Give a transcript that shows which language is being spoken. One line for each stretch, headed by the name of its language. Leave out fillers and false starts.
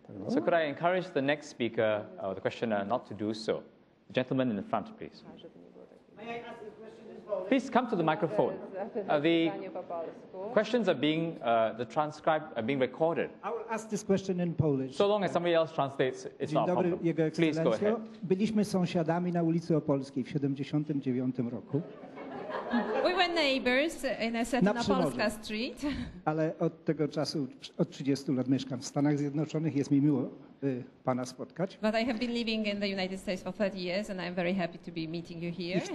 English: So could I encourage the next speaker, or the questioner, not to do so? The gentleman in the front, please. May I ask a question as well? Please come to the microphone. The questions are being transcribed, are being recorded. I will ask this question in Polish. So long as somebody else translates, it's
Polish: Dzień
English: not
Polish: dobry,
English: a problem.
Polish: Jego Excelencjo.
English: Please go ahead.
Polish: Byliśmy sąsiadami na ulicy Opolskiej w 79 roku.
English: We were neighbors in a certain Opolska street.
Polish: Ale od tego czasu, od 30 lat mieszkam w Stanach Zjednoczonych, jest mi miło pana spotkać.
English: But I have been living in the United States for 30 years and I am very happy to be meeting you here.